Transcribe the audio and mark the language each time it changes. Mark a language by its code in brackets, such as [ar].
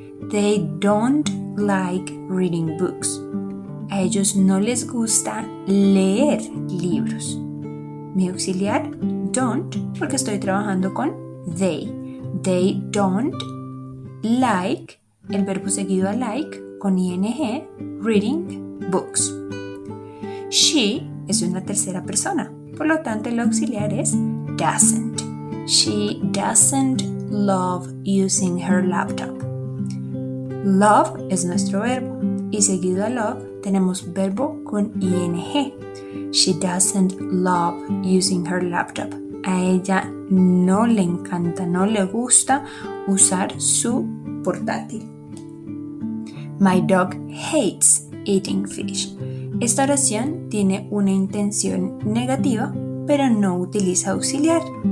[en] They don't like reading books. [es] A ellos no les gusta leer libros. Mi auxiliar don't, porque estoy trabajando con they. [en] They don't like, [es] el verbo seguido a like, con ing, [en] reading books. [es] She es una tercera persona, por lo tanto el auxiliar es doesn't. [en] She doesn't love using her laptop. [es] Love es nuestro verbo, y seguido a love tenemos verbo con ing. [en] She doesn't love using her laptop. [es] A ella no le encanta, no le gusta usar su portátil. [en] My dog hates eating fish. [es] Esta oración tiene una intención negativa, pero no utiliza auxiliar.